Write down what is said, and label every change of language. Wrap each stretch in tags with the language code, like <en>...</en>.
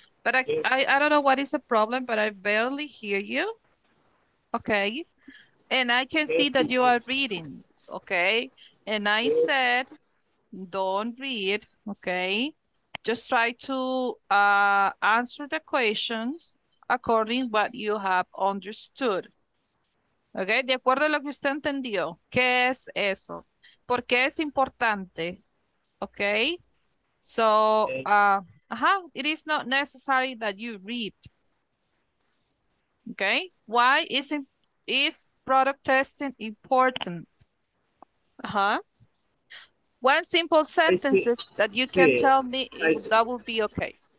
<en>But I don't know what is the problem, but I barely hear you. Okay. And I can see that you are reading, okay? And I said, don't read, okay? Just try to answer the questions according to what you have understood.</en> <es>Okay, de acuerdo a lo que usted entendió, ¿qué es eso? ¿Por qué es importante? Okay?</es> <en>So, it is not necessary that you read. Okay? Why is product testing important? Uh-huh. One simple sentence that you can tell me if that will be okay.</en>